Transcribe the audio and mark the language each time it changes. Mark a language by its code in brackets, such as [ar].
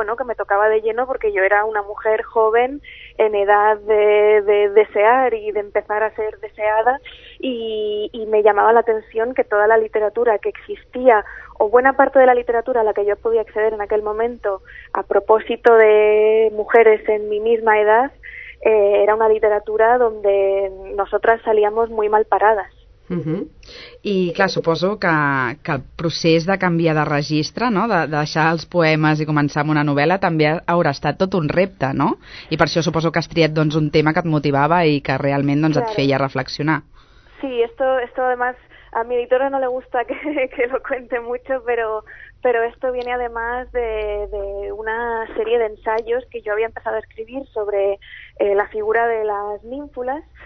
[es] me tocaba de lleno, porque yo era una mujer joven en edad de desear y de empezar a ser deseada, y me llamaba la atención que toda la literatura que existía, o buena parte de la literatura a la que yo podía acceder en aquel momento a propósito de mujeres en mi misma edad, era una literatura donde nosotras salíamos muy mal paradas. Uh-huh. [ca] I clar, suposo que el procés de canviar de registre, no?, de deixar els poemes i començar amb una novel·la, també haurà estat tot un repte, no? I per això suposo que has triat doncs un tema que et motivava i que realment doncs, [es] claro, [ca] et feia reflexionar. [es] Sí, esto además a mi editora no le gusta que lo cuente mucho, pero esto viene además de una serie de ensayos que yo había empezado a escribir sobre la figura de las nínfulas,